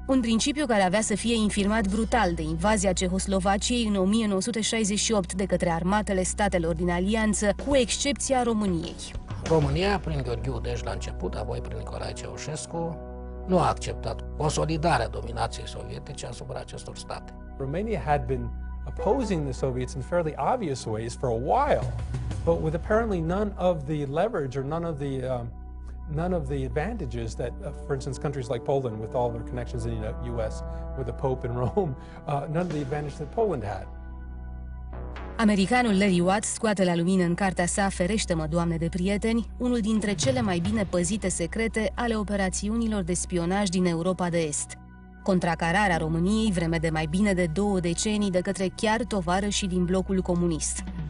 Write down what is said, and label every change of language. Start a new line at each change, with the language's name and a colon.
Romanian: Un principiu care avea să fie infirmat brutal de invazia Cehoslovaciei în 1968 de către armatele statelor din alianță, cu excepția României. România, prin Gheorghiu Dej la început, apoi prin Nicolae Ceaușescu, nu a acceptat consolidarea dominației sovietice asupra acestor state.
English: Romania had been opposing the Soviets in fairly obvious ways for a while, but with apparently none of the leverage or none of the advantages that, for instance, countries like Poland, with all their connections in the U.S. with the Pope in Rome, none of the advantage that Poland had.
Romanian: Americanul Larry Watts scoate la lumină în cartea sa Ferește-mă, Doamne de prieteni, unul dintre cele mai bine păzite secrete ale operațiunilor de spionaj din Europa de Est. Contracararea României vreme de mai bine de două decenii de către chiar tovarășii din blocul comunist.